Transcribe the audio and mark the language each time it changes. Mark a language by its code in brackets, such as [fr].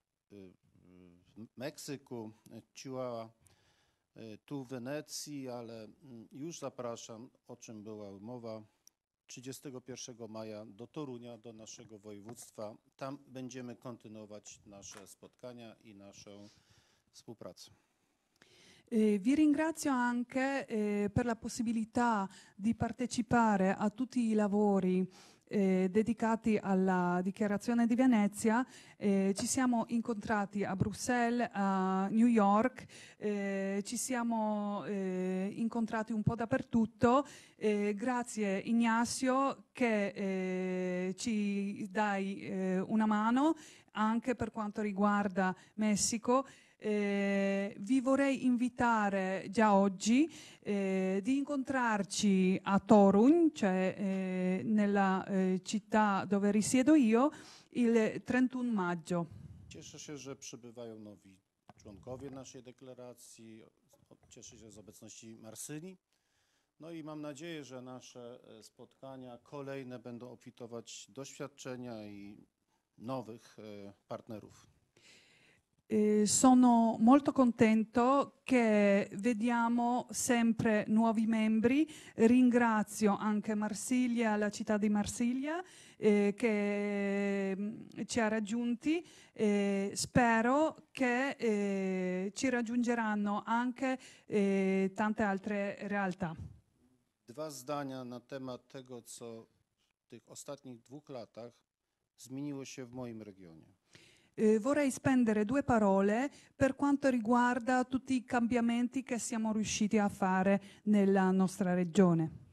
[pl] W Meksyku, Chihuahua, tu w Wenecji, ale już zapraszam, o czym była mowa, 31 maja do Torunia, do naszego województwa. Tam będziemy kontynuować nasze spotkania i naszą współpracę. [it] Vi ringrazio anche per la possibilità di partecipare a tutti i lavori dedicati alla dichiarazione di Venezia. Ci siamo incontrati a Bruxelles, a New York, ci siamo incontrati un po' dappertutto. Grazie Ignacio che ci dai una mano anche per quanto riguarda Messico. Vi vorrei invitare già oggi di incontrarci a Torun, cioè nella città dove risiedo io, il 31 maggio. [pl] Cieszę się, że przybywają nowi członkowie naszej deklaracji. Cieszę się z obecności Marsyni. No i mam nadzieję, że nasze spotkania kolejne będą obfitować doświadczenia i nowych partnerów. [it] Sono molto contento che vediamo sempre nuovi membri. Ringrazio anche Marsiglia, la città di Marsiglia, che ci ha raggiunti. Spero che ci raggiungeranno anche tante altre realtà. [pl] Dwa zdania na temat tego, co w tych ostatnich dwóch latach zmieniło się w moim regionie. [it] Vorrei spendere due parole per quanto riguarda tutti i cambiamenti che siamo riusciti a fare nella nostra regione.